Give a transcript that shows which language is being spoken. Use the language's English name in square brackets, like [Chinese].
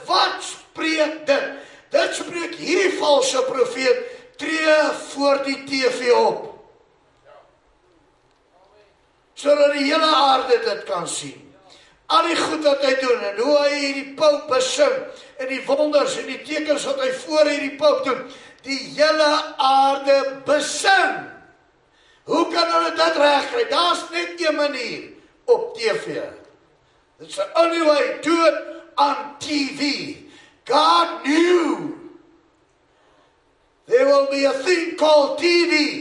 [Afrikaans] Wat spreek dit? Dit spreek hierdie valse profeet, tree voor die TV op, sodat die hele aarde dit kan sien. Al die goed wat hy doen, en hoe hy hierdie poop besing, en die wonders, en die tekens wat hy voor hierdie poop doen, die hele aarde besing. Hoe kan hulle dit regkry? Daar's net een manier, op TV. [English] It's the only way to do it on TV. God knew there will be a thing called TV.